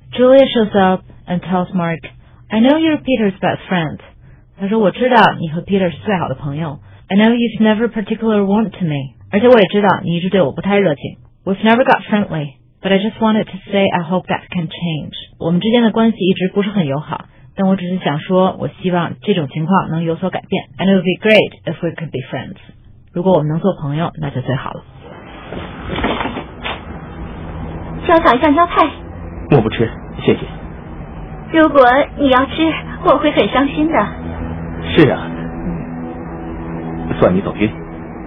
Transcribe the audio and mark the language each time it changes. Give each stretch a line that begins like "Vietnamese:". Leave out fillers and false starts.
English: Juliet shows up and tells Mark, "I know you're Peter's best friend."
Chinese: 他说我知道你和 Peter 是最好的朋友。
English: I know you've never particularly warm to me.
Chinese: 而且我也知道你一直对我不太热情。
English: We've never got friendly, but I just wanted to say I hope that can change.
Chinese: 我们之间的关系一直不是很友好，但我只是想说我希望这种情况能有所改变。
English: And it would be great if we could be friends.
Chinese: 如果我们能做朋友那就最好了。需要炒一香蕉菜。我不吃，谢谢。如果你要吃，我会很伤心的。是啊，算你走运。